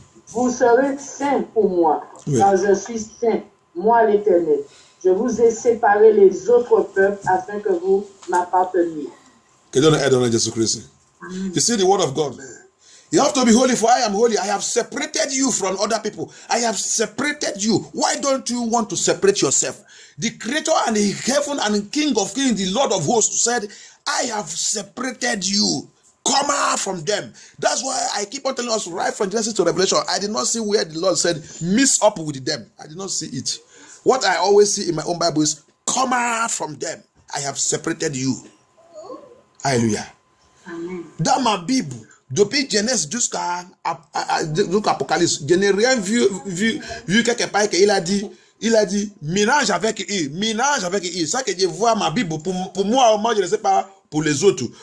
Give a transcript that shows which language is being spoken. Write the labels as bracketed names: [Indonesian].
[French] Vous serez saints pour moi, oui. car je suis saint, moi l'Éternel. Je vous ai séparé les autres peuples afin que vous m'apparteniez. Que Dieu nous aide en Jésus-Christ. [English] You see the word of God. You have to be holy, for I am holy. I have separated you from other people. I have separated you. Why don't you want to separate yourself? The Creator and the Heaven and King of Kings, the Lord of Hosts, said, I have separated you. Come out from them. That's why I keep on telling us, right from Genesis to Revelation, I did not see where the Lord said, mix up with them. I did not see it. What I always see in my own Bible is, come out from them. I have separated you. Hallelujah. Amen. That my Bible. [French] Depuis Genèse jusqu'à Apocalypse, je n'ai rien vu quelque part qu'il a dit. Il a dit, ménage avec eux. Ça que je vois ma Bible, pour moi, au moins, je ne sais pas pour les autres.